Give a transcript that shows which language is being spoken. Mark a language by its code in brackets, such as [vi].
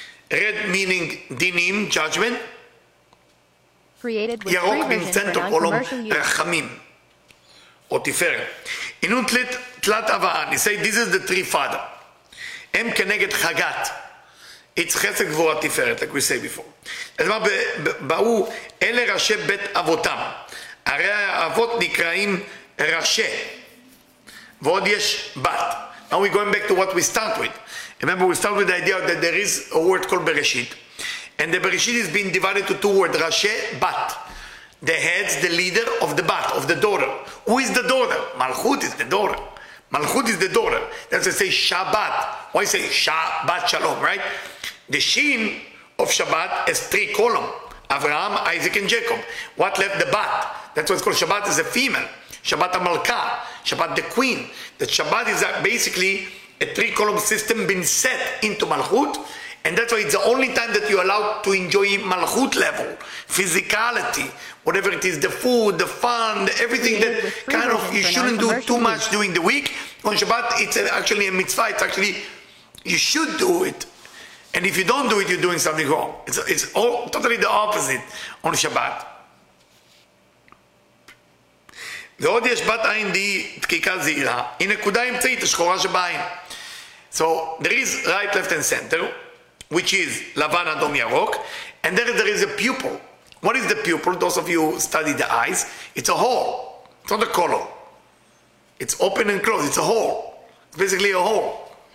[en] Red meaning dinim, judgment. Created with yarok free means center column, rachamim. Or tifer. [arc] Inun tlat avaan. [en] He say this is the three father. [he] Em keneged chagat. [en] It's chesed gvura tiferet, like we say before. [he] אז מה באו אלה ראשי בית אבותם, הרי האבות נקראים ראשי, ועוד יש בת. [en] Now we're going back to what we start with. Remember, we start with the idea that there is a word called Bereshit, and the Bereshit is being divided to two words, ראשי, בת. The heads, the leader of the bat, of the daughter. Who is the daughter? מלכות is the daughter. מלכות is the daughter. That's why I say Shabbat. Why say Shabbat Shalom, right? The Shin of Shabbat is three columns. Abraham, Isaac, and Jacob. What left the bat? That's what's called Shabbat is a female. Shabbat Amalka. Shabbat the queen. That Shabbat is basically a three column system being set into Malchut. And that's why it's the only time that you're allowed to enjoy Malchut level. Physicality. Whatever it is. The food, the fun, everything that kind of you shouldn't do too much during the week. On Shabbat, it's actually a mitzvah. It's actually, you should do it. And if you don't do it, you're doing something wrong. It's all totally the opposite on Shabbat. [he] ועוד יש בת עין די דקיקה זעירה. היא נקודה אמצעית, השחורה שבעין. [en] So there is right, left, and center, which is [he] לבן, אדום, ירוק. [en] And there is a pupil. What is the pupil? Those of you who study the eyes, it's a hole. It's not a color. It's open and closed. It's a hole. It's basically a hole.